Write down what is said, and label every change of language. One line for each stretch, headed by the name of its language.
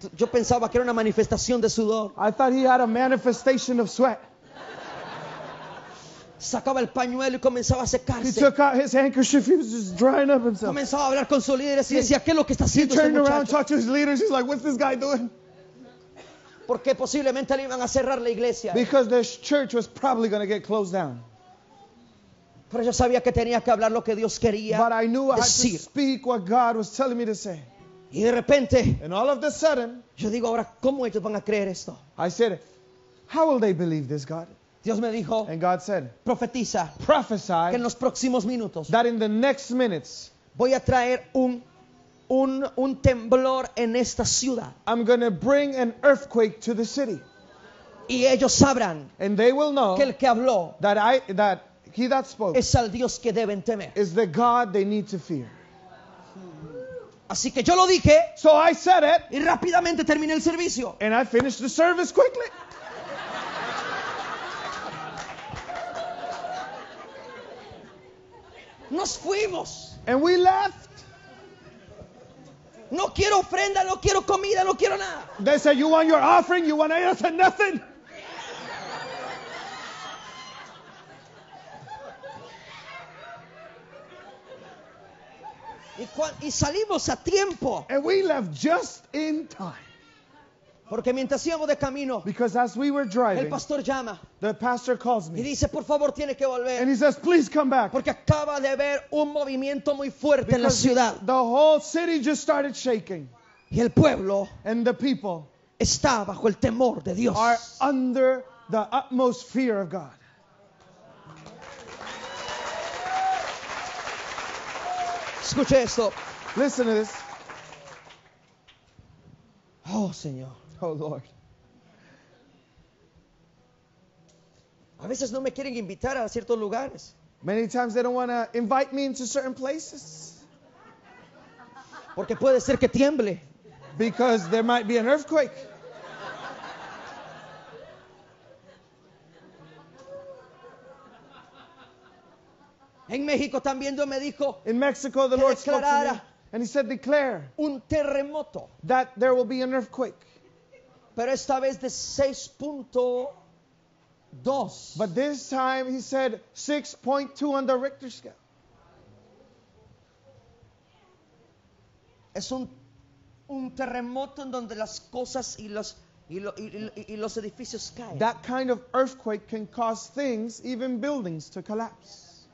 Spanish: Yo pensaba que era una manifestación de sudor.
English: I thought he had a manifestation of sweat.
Spanish: Sacaba el pañuelo y comenzaba a secarse.
English: He took out his handkerchief. He was just drying up himself.
Spanish: Comenzaba a hablar con sus líderes y decía, ¿qué es lo que está haciendo este muchacho?
English: He turned around, talked to his leaders. He's like, what's this guy doing?
Spanish: Porque posiblemente le iban a cerrar la iglesia.
English: Because the church was probably going to get closed down.
Spanish: Pero yo sabía que tenía que hablar lo que Dios quería decir.
English: But I knew I had to speak what God was telling me to say.
Spanish: Y de repente,
English: and all of a sudden,
Spanish: yo digo, ahora, ¿cómo ellos van a creer esto?
English: I said, how will they believe this, God?
Spanish: Dios me dijo,
English: and God said,
Spanish: profetiza,
English: prophesy,
Spanish: que en los próximos minutos,
English: that in the next minutes,
Spanish: voy a traer un temblor en esta ciudad.
English: I'm going to bring an earthquake to the city.
Spanish: Y ellos sabrán,
English: and they will know,
Spanish: que el que habló,
English: that he that spoke,
Spanish: es al Dios que deben temer.
English: Is the God they need to fear.
Spanish: Así que yo lo dije.
English: So I said it.
Spanish: Y rápidamente terminé el servicio.
English: And I finished the service quickly.
Spanish: Nos fuimos.
English: And we left.
Spanish: No quiero ofrenda, no quiero comida, no quiero nada.
English: They said, you want your offering, you want to say nothing.
Spanish: Y salimos a tiempo.
English: And we left just in time.
Spanish: Porque mientras íbamos de camino,
English: because as we were driving,
Spanish: el pastor llama,
English: the pastor calls me.
Spanish: Y dice, por favor, tiene que volver.
English: And he says, please come back.
Spanish: Porque acaba de haber un movimiento muy fuerte en la ciudad.
English: The whole city just started shaking.
Spanish: Y el pueblo,
English: and the people,
Spanish: está bajo el temor de Dios.
English: Are under the utmost fear of God.
Spanish: Escuche esto.
English: Listen to this.
Spanish: Oh, Señor.
English: Oh, Lord.
Spanish: A veces no me quieren invitar a ciertos lugares.
English: Many times they don't want to invite me into certain places.
Spanish: Porque puede ser que tiemble.
English: Because there might be an earthquake.
Spanish: En México también Dios me dijo,
English: in Mexico, the Lord spoke to me, and he said, declare
Spanish: un terremoto,
English: that there will be an earthquake.
Spanish: Pero esta vez de 6.2.
English: But this time he said 6.2 on the Richter scale.
Spanish: Es un terremoto en donde las cosas y los edificios caen.
English: That kind of earthquake can cause things, even buildings, to collapse.